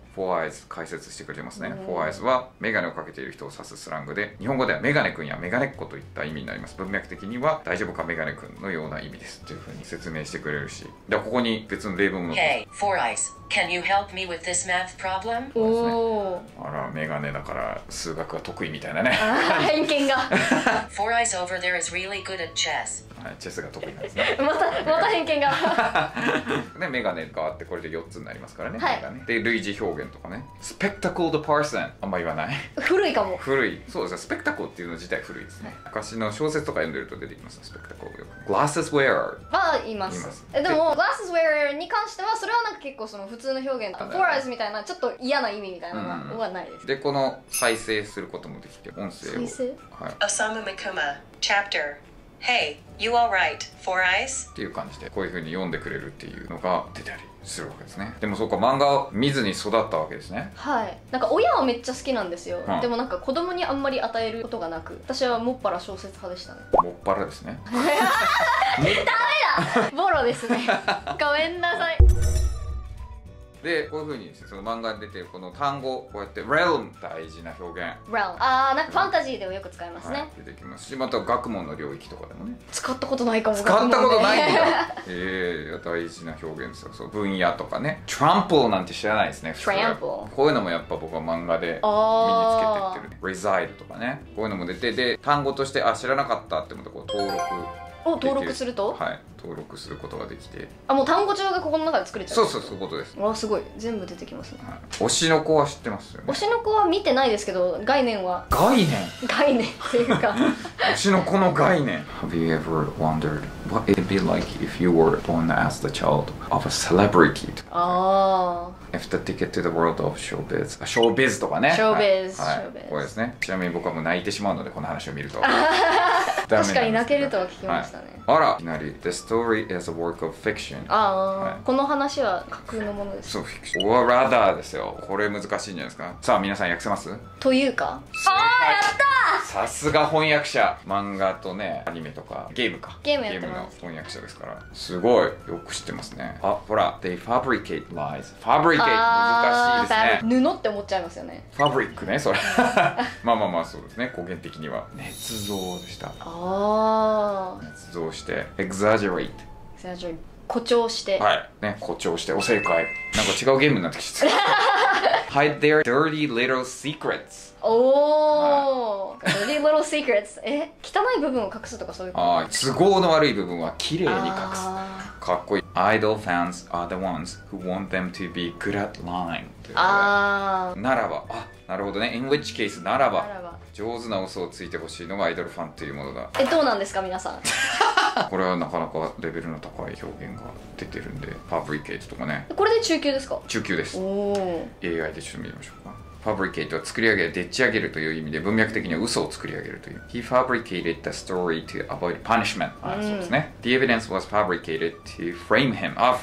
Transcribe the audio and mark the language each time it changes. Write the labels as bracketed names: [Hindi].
[Japanese] for eyes 解説してくれますね。for eyes はメガネをかけている人を指すスラングで、日本語ではメガネ君やメガネっ子といった意味になります。文脈的には大丈夫かメガネ君のような意味ですというふうに説明してくれるし、でここに別の例文も [English] Hey for eyes can you help me with this math problem、お [Japanese] あらメガネだから数学が得意みたいなね、あ偏見が [English] for eyes over there isreally good at chess. [Japanese] チェスが得意なんですね。また偏見がで、メガネがあってこれで4つになりますからね、はい、メガネで類似表現とかね、スペクタクルドパーソン、あんま言わない古いかも、古いそうですね、スペクタクルっていうの自体古いですね、はい、昔の小説とか読んでると出てきます、スペクタクルよく。 [English] グラスウェア [Japanese] ーは言います。でもグラスウェアーに関してはそれはなんか結構その普通の表現とかフォーライズみたいなちょっと嫌な意味みたいなのはないです、うん、でこの再生することもできて音声を再生、はい、 [English] アサム・ミクマチャプターHey, you all right, four eyes? [Japanese] っていう感じでこういう風に読んでくれるっていうのが出たりするわけですね。でもそうか、漫画を見ずに育ったわけですね。はい、なんか親はめっちゃ好きなんですよ、うん、でもなんか子供にあんまり与えることがなく、私はもっぱら小説派でしたね。もっぱらですねダメだボロですねごめんなさい。でこういう風にですね、その漫画に出てるこの単語、こうやって realm 大事な表現、 realm、 あーなんかファンタジーでもよく使いますね、はい、出てきますし、また学問の領域とかでもね使ったことないかも、使ったことないんだ大事な表現ですよ。そう分野とかね、 trample なんて知らないですね、 [English] trample [Japanese] こういうのもやっぱ僕は漫画で身につけてってる、ね、reside とかね、こういうのも出て、で単語としてあ知らなかったって思ったらこう登録を登録すると、はい、登録することができて、あもう単語帳がここの中で作れちゃう、そうそうそういうことです。わすごい全部出てきますね、はい、推しの子は知ってますよね。推しの子は見てないですけど概念は、概念っていうか推しの子の概念 [English] Have you ever wondered what it'd be like if you were born as the child of a celebrity? あー If the ticket to the world of showbiz showbiz [Japanese] とかね、 [English] showbiz、 [Japanese] はいはい、これですね。ちなみに僕はもう泣いてしまうのでこの話を見ると確かに泣けるとは聞きましたね、はい、あらいきなり [English] The story is a work of fiction、 [Japanese] あ、はい、この話は架空のものです。そう、フィクション [English] or rather [Japanese] ですよ。これ難しいんじゃないですか。さあ皆さん訳せます、というか、あーやったー、さすが翻訳者、漫画とねアニメとかゲームか、ゲームやってます、ゲームの翻訳者ですから、すごいよく知ってますね。あほら [English] They fabricate lies [Japanese] fabricate 難しいですね、布って思っちゃいますよね、ファブリックねそれまあまあまあそうですね、語源的には捏造でした、あ捏造して exaggerate 誇張して、はいね、誇張して、お正解、なんか違うゲームになってきてた [English] Hide their dirty little secrets、 [Japanese] おー、はい、 [English] dirty little secrets、 [Japanese] え汚い部分を隠すとかそういうこと、あ都合の悪い部分は綺麗に隠す、かっこいい。 [English] Idol fans are the ones who want them to be good at lying、あ [Japanese] ならば、あなるほどね、 [English] in which case [Japanese] ならば、ならば上手な嘘をついてほしいのがアイドルファンというものだ。え、どうなんですか皆さんこれはなかなかレベルの高い表現が出てるんで、ファブリケートとかね、これで中級ですか、中級です。おー AI でちょっと見ましょうか。ファブリケートは作り上げ、でっち上げるという意味で、文脈的には嘘を作り上げるという、 [English] He fabricated the story to avoid punishment、 [Japanese] あ、そうですね、 [English] The evidence was fabricated to frame him、 [Japanese] あ、